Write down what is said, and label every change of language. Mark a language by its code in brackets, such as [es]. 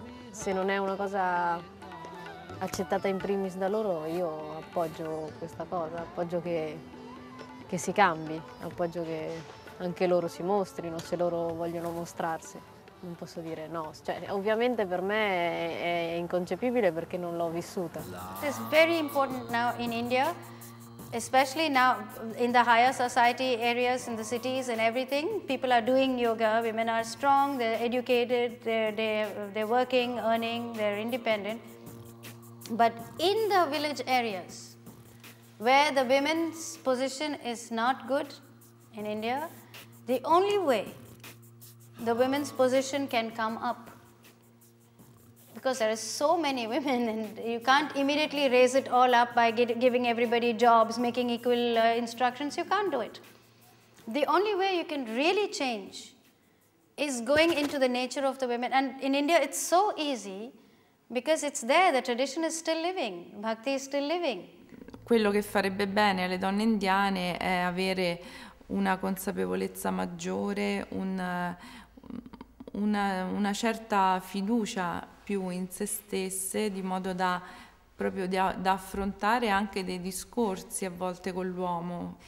[it] Se non è una cosa accettata in primis da loro, io appoggio questa cosa, appoggio che si cambi, appoggio che anche loro si mostrino, se loro vogliono mostrarsi. Non posso dire no, cioè, ovviamente per me è inconcepibile perché non l'ho vissuta. [en] It's very important now in India, especially now in the higher society areas, in the cities and everything. People are doing yoga, women are strong, they're educated, they're working, earning, they're independent. But in the village areas, where the women's position is not good in India, the only way the women's position can come up, because there are so many women and you can't immediately raise it all up by giving everybody jobs, making equal instructions, you can't do it. The only way you can really change is going into the nature of the women. And in India, it's so easy because it's there, the tradition is still living, bhakti is still living. [it] Quello che farebbe bene alle donne indiane è avere una consapevolezza maggiore, una certa fiducia più in se stesse, di modo da proprio da affrontare anche dei discorsi a volte con l'uomo.